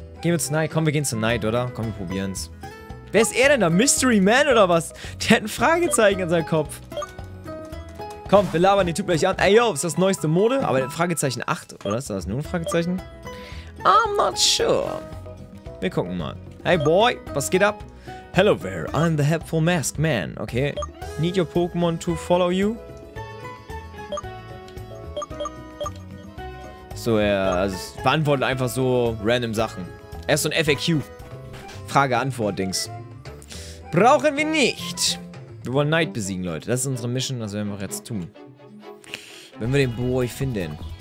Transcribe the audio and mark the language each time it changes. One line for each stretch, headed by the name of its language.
German: Gehen wir zu Knight, komm, wir gehen zu Knight, oder? Komm, wir probieren's. Wer ist er denn da? Mystery Man oder was? Der hat ein Fragezeichen in seinem Kopf. Komm, wir labern den Typ gleich an. Ey, yo, ist das neueste Mode? Aber Fragezeichen 8, oder ist das nur ein Fragezeichen?
English: I'm not sure.
German: Wir gucken mal. Hey, boy, was geht ab?
English: Hello there, I'm the helpful mask man. Okay, need your Pokémon to follow you?
German: So, er beantwortet einfach so random Sachen. Er ist so ein FAQ. Frage-Antwort-Dings. Brauchen wir nicht. Wir wollen Knight besiegen, Leute. Das ist unsere Mission, das werden wir jetzt tun. Wenn wir den Boy finden.